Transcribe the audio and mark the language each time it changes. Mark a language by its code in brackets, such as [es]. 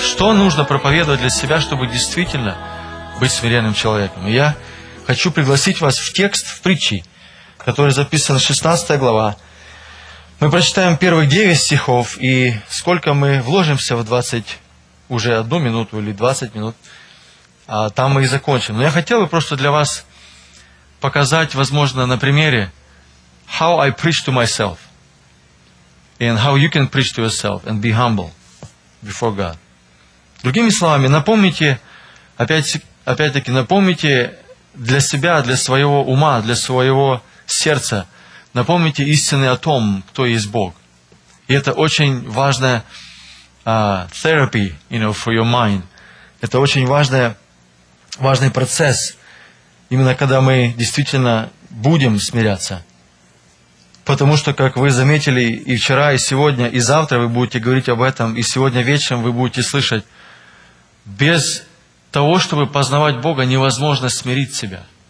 [ru] Что нужно проповедовать для себя, чтобы действительно быть смиренным человеком? Я хочу пригласить вас в текст, в притчи, который записан, 16 глава. Мы прочитаем первых 9 стихов, и сколько мы вложимся в 20, уже одну минуту или 20 минут, а там мы и закончим. Но я хотел бы просто для вас показать, возможно, на примере, [en] how I preach to myself, and how you can preach to yourself, and be humble before God. [ru] Другими словами, напомните, опять-таки, напомните для себя, для своего ума, для своего сердца, напомните истины о том, кто есть Бог. И это очень важная [en] therapy, you know, for your mind. [ru] Это очень важный процесс, именно когда мы действительно будем смиряться. Потому что, как вы заметили и вчера, и сегодня, и завтра вы будете говорить об этом, и сегодня вечером вы будете слышать, без того, чтобы познавать Бога, невозможно смирить себя.